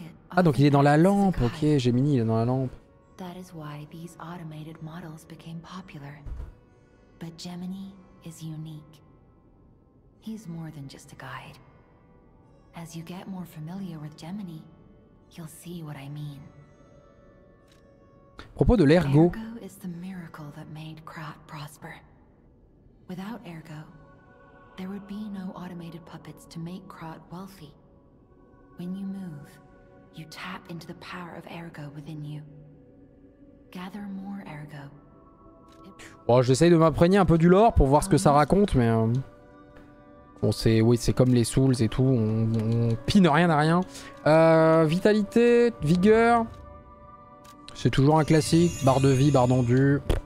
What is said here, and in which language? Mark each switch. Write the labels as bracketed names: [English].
[French] Ah, donc il est dans la lampe, ok, Gemini il est dans la lampe. [English] That is why these automated models became popular. But Gemini is unique. He's more than just a guide. As you get more familiar with Gemini, you'll see what I mean. [French] À propos de l'ergo. [English] Ergo is the miracle that made craft prosper. Without ergo, there would be no automated puppets to make craft wealthy. When you move, you tap into the power of ergo within you. Gather more ergo. [French] Bon, j'essaye de m'imprégner un peu du lore pour voir ce que ça raconte, mais... Bon, c'est... Oui, c'est comme les Souls et tout. On pine rien à rien. Vitalité, vigueur... C'est toujours un classique. Barre de vie, barre d'endu.